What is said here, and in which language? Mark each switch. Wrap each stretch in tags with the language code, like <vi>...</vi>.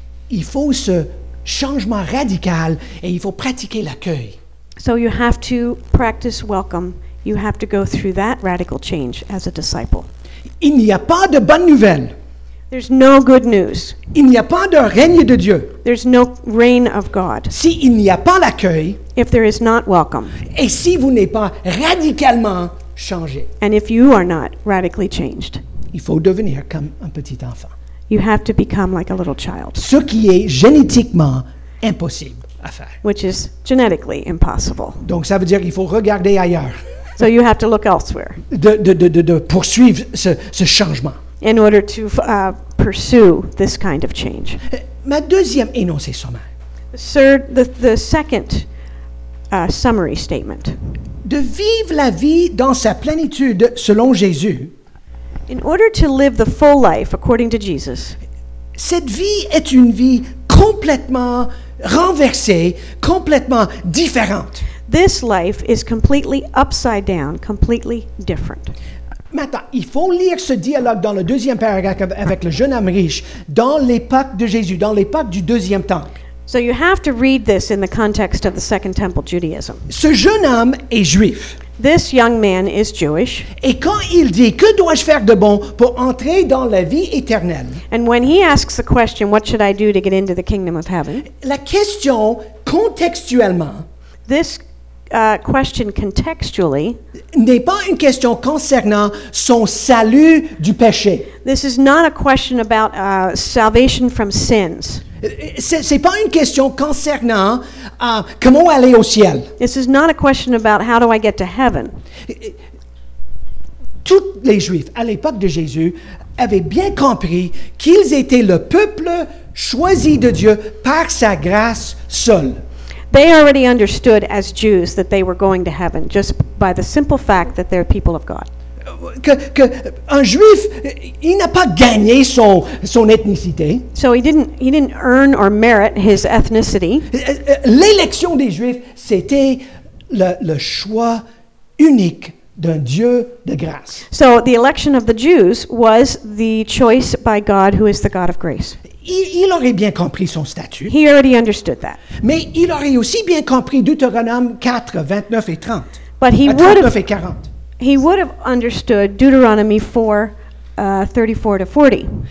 <fr>il faut ce changement radical et il faut pratiquer l'accueil.</fr> <en>So you have to practice welcome. You have to go through that radical change as a disciple.</en> <fr>Il n'y a pas de bonnes nouvelles.</fr> <en>There's no good news.</en> <fr>Il n'y a pas de règne de Dieu.</fr> <en>There's no reign of God.</en> <fr>Si il n'y a pas l'accueil,</fr> <en>if there is not welcome.</en> <fr>Et si vous n'êtes pas radicalement changé,</fr> <en>and if you are not radically changed.</en> <fr>Il faut devenir comme un petit enfant.</fr> <en>You have to become like a little child.</en> <fr>Ce qui est génétiquement impossible à faire.</fr> <en>Which is genetically impossible.</en> <fr>Donc ça veut dire qu'il faut regarder ailleurs.</fr> <en>So you have to look elsewhere.</en> <fr>De poursuivre ce changement.</fr> <en>In order to pursue this kind of change.</en> <fr>Ma deuxième énoncé sommaire.</fr> <en>Sir, the second summary statement.</en> <fr>De vivre la vie dans sa plénitude selon Jésus.</fr> <en>In order to live the full life according to Jesus.</en> <fr>Cette vie est une vie complètement renversée, complètement différente.</fr> <en>This life is completely upside down, completely different.</en> <fr>Maintenant, il faut lire ce dialogue dans le deuxième paragraphe avec le jeune homme riche, dans l'époque de Jésus, dans l'époque du deuxième temple.</fr> <en>So you have to read this in the context of the Second Temple Judaism.</en> <fr>Ce jeune homme est juif.</fr> <en>This young man is Jewish.</en> <fr>Et quand il dit, que dois-je faire de bon pour entrer dans la vie éternelle?</fr> <en>And when he asks the question, what should I do to get into the kingdom of heaven?</en> <fr>La question, contextuellement,</fr> <en>this question contextually</en> <fr>n'est pas une question concernant son salut du péché.</fr> <en>This is not a question about salvation from sins.</en> <fr>C'est pas une question concernant comment aller au ciel.</fr> <en>This is not a question about how do I get to heaven.</en> <fr>Tous les Juifs à l'époque de Jésus avaient bien compris qu'ils étaient le peuple choisi de Dieu par sa grâce seule.</fr> <en>They already understood as Jews that they were going to heaven just by the simple fact that they're people of God.</en> <fr>Que un juif, il n'a pas gagné son ethnicité.</fr> <en>So he didn't earn or merit his ethnicity.</en> <fr>L'élection des juifs, c'était le choix unique d'un Dieu de grâce.</fr> <en>So the election of the Jews was the choice by God who is the God of grace.</en> <fr>Il aurait bien compris son statut.</fr> <en>He already understood that.</en> <fr>Mais il aurait aussi bien compris Deutéronome 4, 29 et 30.</fr> <en>But he 39 would have,</en> <fr>et 40.</fr> <en>he would have understood Deuteronomy 4, 34 to 40.</en>